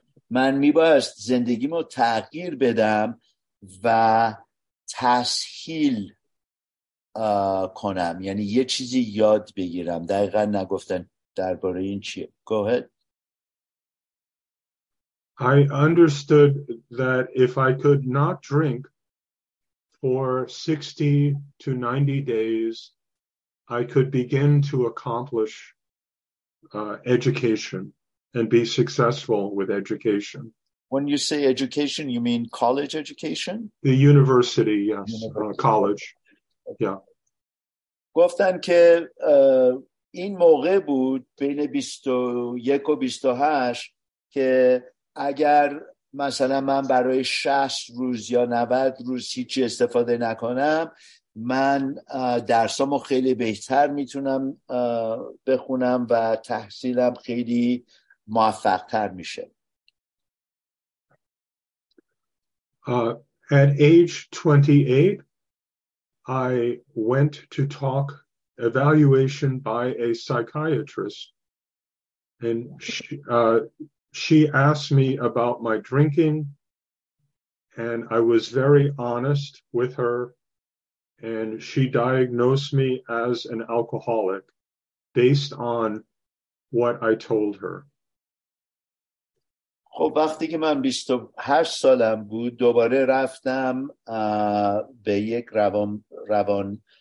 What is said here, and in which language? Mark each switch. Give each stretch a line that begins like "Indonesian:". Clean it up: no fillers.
Persian: من میبایست زندگیمو تغییر بدم و تسهیل کنم، یعنی یه چیزی یاد بگیرم. دقیقا نگفتن درباره این چیه.
English: Go ahead. I understood that if I could not drink for 60 to 90 days, I could begin to accomplish education and be successful with education. When you say education, you mean college education? The university, yes. University. College. Yeah.
Persian: گفتن که این موقع بود بین 21 و 28 که اگر مثلا من برای 60 روز یا 90 روز هیچی استفاده نکنم، من درسامو خیلی بهتر میتونم بخونم و تحصیلم خیلی موفق تر میشه.
English: At age 28, I went to talk evaluation by a psychiatrist, and she asked me about my drinking, and I was very honest with her, and she diagnosed me as an alcoholic based on what I told her.
Persian: خب وقتی که من 28 سالم بود دوباره رفتم به یک روان